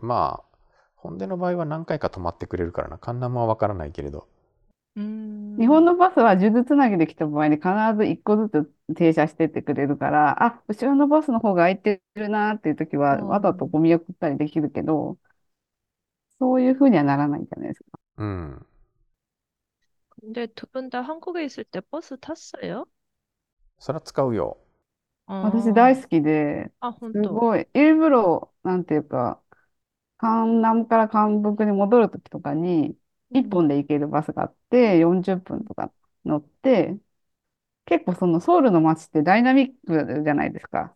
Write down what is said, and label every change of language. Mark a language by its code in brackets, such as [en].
[ja] まあ、ホンデの場合は何回か止まってくれるからな。カンナムはわからないけれど。日本のバスは数珠つなぎで来た場合に必ず1個ずつ停車してってくれるから、あ、後ろのバスの方が空いてるなっていう時は、わざとゴミ送ったりできるけど、そういうふうにはならないんじゃないですか。 [ko] 근데 두분다 한국에 있을 때 버스 탔어요? [ja] それは使うよ。私大好きで、す本当。ごい、 [ko] 일부러、 [ja] なんていうか、関南から関北に戻るときとかに、1本で行けるバスがあって、40分とか乗って、結構そのソウルの街ってダイナミックじゃないですか。